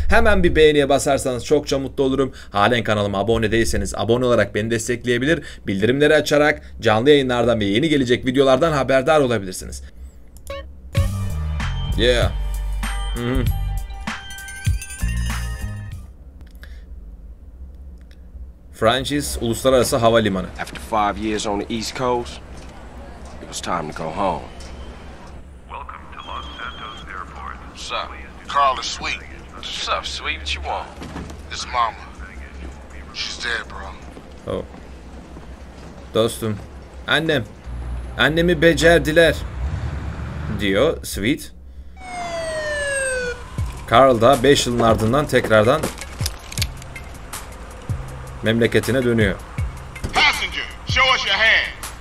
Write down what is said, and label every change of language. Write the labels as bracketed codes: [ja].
[tr] Hemen bir beğeniye basarsanız çokça mutlu olurum. Halen kanalıma abone değilseniz abone olarak beni destekleyebilir, bildirimleri açarak canlı yayınlardan ve yeni gelecek videolardan haberdar olabilirsiniz. [en] Yeah. [tr] Francis Uluslararası Havalimanı. [en] After 5 years on the East Coast, it was time to go home. What's up? Carl is sweet. What's up, sweet? What you want? His mama. She's dead, bro. [tr] Oh. Dostum. Annem. Annemi becerdiler. Diyor Sweet. Carl da 5 yılın ardından tekrardan memleketine dönüyor. [en] Passenger, show us your hand.